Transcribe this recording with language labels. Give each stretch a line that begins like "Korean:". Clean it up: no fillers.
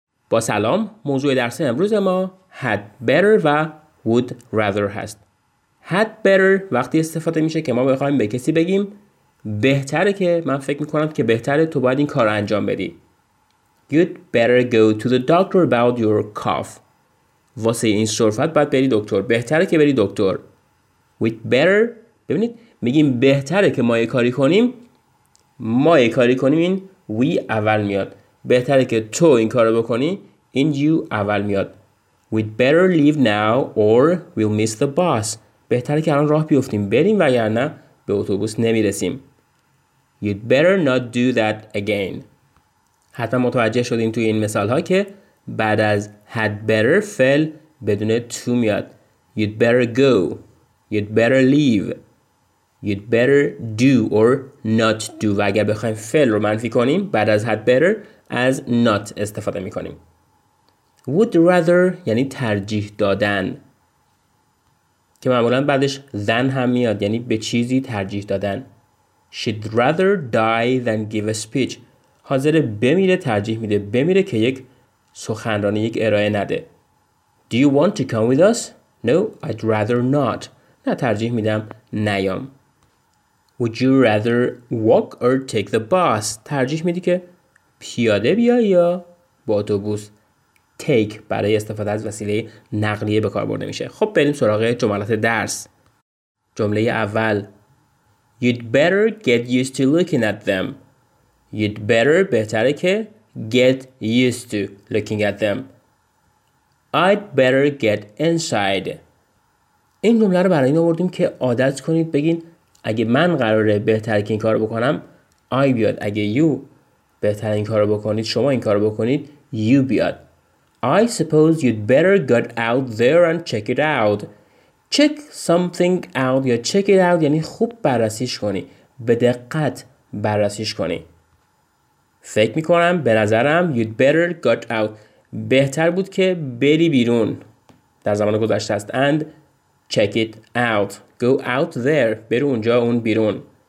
Persian: با سلام، موضوع درس امروز ما had better و would rather هست. had better وقتی استفاده میشه که ما بخوایم به کسی بگیم بهتره که من فکر میکنم که بهتره تو باید این کار رو انجام بدی.
English: you'd better go to the doctor about your cough.
Persian: واسه این شرفت باید بری دکتر. بهتره که بری دکتر. with better ببینید میگیم بهتره که ما یه کاری کنیم. ما یه کاری کنیم این we اول میاد. بهتره که تو این کار رو بکنی این you اول میاد.
English: we'd better leave now or we'll miss the bus.
Persian: بهتره که الان راه بیفتیم بریم وگرنه به اتوبوس نمیرسیم.
English: you'd better not do that again.
Persian: حتما متوجه شدین توی این مثال ها که بعد از had better فعل بدون to میاد.
English: you'd better go, you'd better leave, you'd better do or not do.
Persian: و اگر بخوایم فعل رو منفی کنیم بعد از had better از not استفاده میکنیم. would rather یعنی ترجیح دادن که معمولا بعدش than هم میاد، یعنی به چیزی ترجیح دادن.
English: she'd rather die than give a speech.
Persian: حاضر بمیره ترجیح میده بمیره که یک سخنرانی یک ارائه نده.
English: Do you want to come with us? No, I'd rather not.
Persian: نه ترجیح میدم نیام.
English: Would you rather walk or take the bus?
Persian: ترجیح میدی که پیاده بیای یا با اتوبوس. Take برای استفاده از وسیله نقلیه به کار برده میشه. خب بریم سراغ جملات درس. جمله اول.
English: You'd better get used to looking at them. You'd better
Persian: بهتره که
English: get used to looking at them. I'd better get inside.
Persian: این جمله رو برای این آوردیم که عادت کنید بگین اگه من قراره بهتر که این کار بکنم I بیاد، اگه you بهتر این کار بکنید شما این کار بکنید you بیاد.
English: I suppose you'd better get out there and check it out.
Persian: Check something out یا check it out یعنی خوب بررسیش کنی، به دقت بررسیش کنی. فکر میکنم به نظرم
English: you'd better got out
Persian: بهتر بود که بری بیرون در زمان گذشته است
English: and check it out go out there
Persian: برو اونجا اون بیرون.